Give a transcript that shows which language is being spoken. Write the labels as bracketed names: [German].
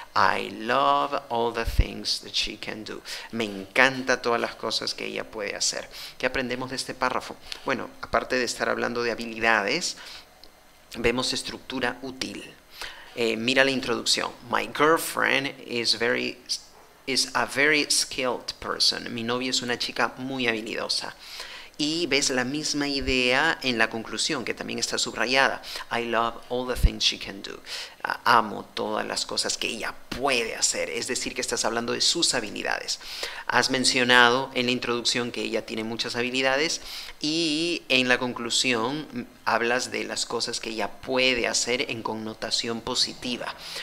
[English] I love all the things that she can do. [Spanish] Me encanta todas las cosas que ella puede hacer. ¿Qué aprendemos de este párrafo? Bueno, aparte de estar hablando de habilidades, vemos estructura útil. Mira la introducción. [English] My girlfriend is a very skilled person. [Spanish] Mi novia es una chica muy habilidosa. Y ves la misma idea en la conclusión, que también está subrayada. [English] I love all the things she can do. [Spanish] Amo todas las cosas que ella puede hacer. Es decir, que estás hablando de sus habilidades. Has mencionado en la introducción que ella tiene muchas habilidades y en la conclusión hablas de las cosas que ella puede hacer en connotación positiva.